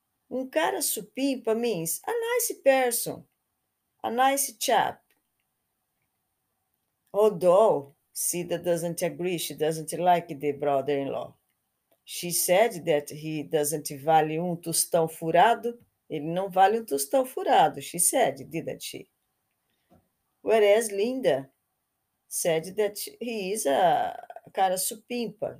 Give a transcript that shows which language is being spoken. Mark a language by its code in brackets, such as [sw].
[pt] Um cara supimpa [en] means a nice person, a nice chap. Although Sida doesn't agree, she doesn't like the brother-in-law. She said that he doesn't [pt] vale um tostão furado. Ele não vale um tostão furado, [en] she said, didn't she? Whereas Linda said that he is a [pt] cara supimpa.